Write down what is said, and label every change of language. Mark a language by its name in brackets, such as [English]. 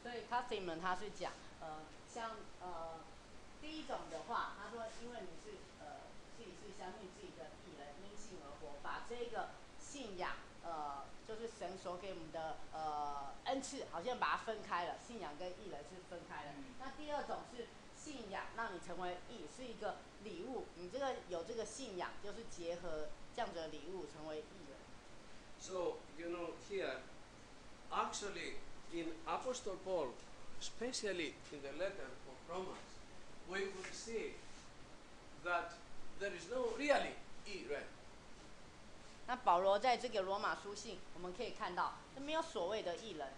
[Chinese] Cuthyman 他是讲，像第一种的话，他说因为你是自己是相信自己的义人，因信而活，把这个信仰就是神所给我们的恩赐，好像把它分开了，信仰跟义人是分开的。那第二种是信仰让你成为义，是一个礼物，你这个有这个信仰，就是结合这样子的礼物成为义人。 [English] So you know here, actually in Apostle Paul, especially in the letter of Romans, we would see that there is no really 义人。 [Chinese] 那保罗在这个罗马书信，我们可以看到，这没有所谓的义人。